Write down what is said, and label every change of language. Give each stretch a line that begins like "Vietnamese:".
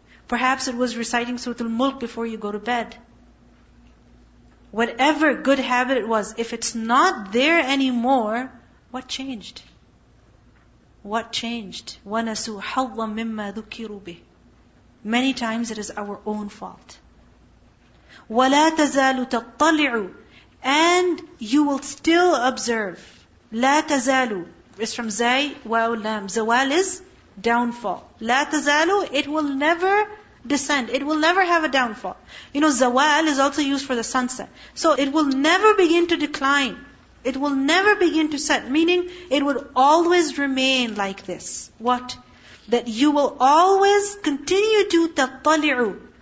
English: Perhaps it was reciting Suratul Mulk before you go to bed. Whatever good habit it was, if it's not there anymore, what changed? What changed?
Arabic: وَنَسُوا حَظًّا مِمَّا ذُكِّرُوا بِهِ.
English: Many times it is our own fault.
Arabic: وَلَا تَزَالُ تَطَّلِعُ.
English: And you will still observe.
Arabic: لَا تَزَالُ
English: is from
Arabic: زَي وَاوْ لَمْ.
English: زَوَال is downfall.
Arabic: لَا تَزَالُ,
English: it will never descend. It will never have a downfall. You know, زَوَال is also used for the sunset. So it will never begin to decline. It will never begin to set. Meaning, it would always remain like this. What? That you will always continue to تَطَّلِعُ,